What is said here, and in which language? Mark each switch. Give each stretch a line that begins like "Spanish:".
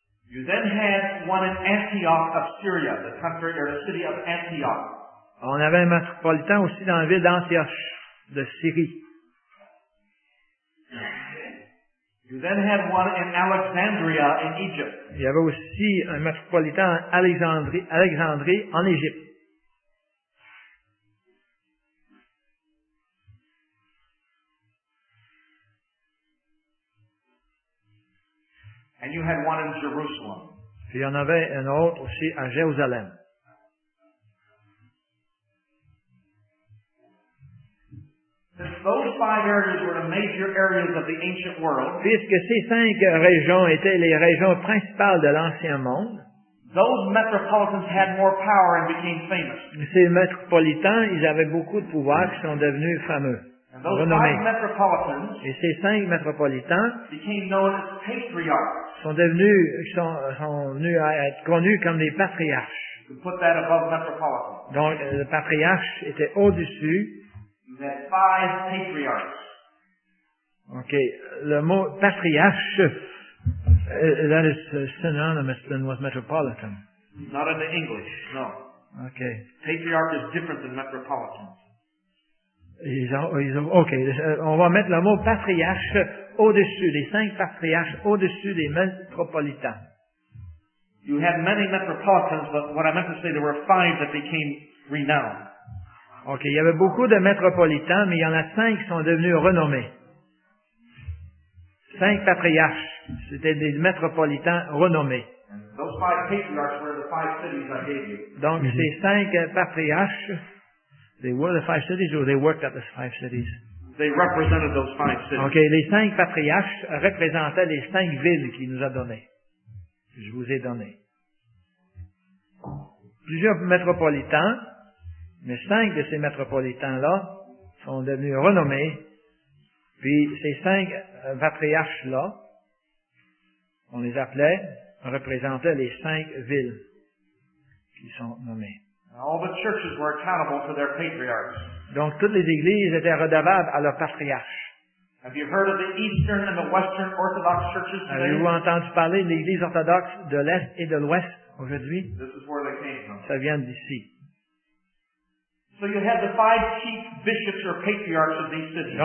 English: You then had one in Antioch of Syria, the country or the city of Antioch.
French: On avait un métropolitain aussi dans la ville d'Antioche de Syrie.
English: You then had one in Alexandria in Egypt.
French: Il y avait aussi un métropolitain à Alexandrie en Égypte.
English: And you had one in Jerusalem.
French: Puis il y en avait un autre aussi à Jérusalem.
English: Those five areas were the major areas of the ancient world.
French: Puisque ces cinq régions étaient les régions principales de l'ancien monde.
English: Those metropolitans had more power and became famous.
French: Ces métropolitains, ils avaient beaucoup de pouvoir, ils sont devenus fameux.
English: And those renommés. Five metropolitans.
French: Et ces cinq métropolitains
English: became known as patriarchs.
French: Sont venus à être connus comme des patriarches.
English: To put that above metropolitan.
French: Donc, le patriarche était au-dessus.
English: That five patriarchs. OK.
French: Le mot patriarche,
English: that is synonymous then with metropolitan. Not in the English, no. OK. Patriarch is different than metropolitan. OK.
French: On va mettre le mot patriarche au-dessus, les cinq patriarches au-dessus des métropolitains.
English: You had many metropolitans, but what I meant to say, there were five that became renowned. OK.
French: Il y avait beaucoup de métropolitains, mais il y en a cinq qui sont devenus renommés. Cinq patriarches, c'était des métropolitains renommés.
English: Those five patriarchs were the five cities I gave you.
French: Donc, mm-hmm. Ces cinq patriarches,
English: they were the five cities or they worked at the five cities? They represented those five cities. OK.
French: Les cinq patriarches représentaient les cinq villes qu'il nous a données. Je vous ai donné. Plusieurs métropolitains, mais cinq de ces métropolitains-là sont devenus renommés. Puis ces cinq patriarches-là, on les appelait, représentaient les cinq villes qui sont nommées.
English: All the churches were accountable to their patriarchs.
French: Donc toutes les églises étaient redevables à leurs patriarches.
English: Have you heard of the Eastern and the Western Orthodox churches today?
French: Avez-vous entendu parler de l'Église orthodoxe de l'Est et de l'Ouest aujourd'hui?
English: This is where they came from.
French: Ça vient d'ici.
English: So you had the five chief bishops or patriarchs of these cities.